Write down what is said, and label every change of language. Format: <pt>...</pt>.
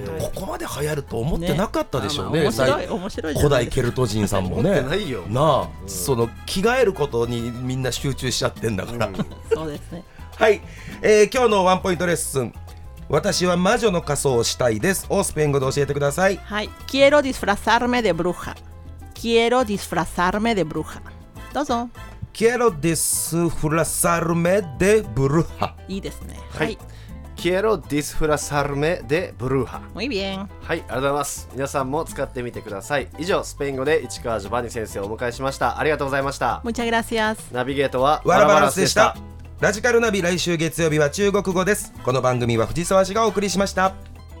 <ja>ここまで流行ると思ってなかったでしょう ね、面白い、面白いじゃない、古代ケルト人さんもね思ってないよなあ、うん、その着替えることにみんな集中しちゃってんだから、うん、そうですね。はい、今日のワンポイントレッスン、私は魔女の仮装をしたいですをスペイン語で教えてください。</ja> <es>はい、 quiero disfrazarme de brujaQuiero disfrazarme de bruja.</es> <ja>どうぞ。</ja> <es>Quiero disfrazarme de bruja.</es> <ja>いいですね。はい。</ja> <es>はい、Quiero disfrazarme de bruja. Muy bien.</es> <ja>はい、ありがとうございます。皆さんも使ってみてください。以上、スペイン語で市川ジョバンニ先生をお迎えしました。ありがとうございました。</ja> <es>Muchas gracias.</es> <ja>ナビゲートはワラバランスでした。ラジカルナビ、来週月曜日は中国語です。この番組は藤沢氏がお送りしました。</ja>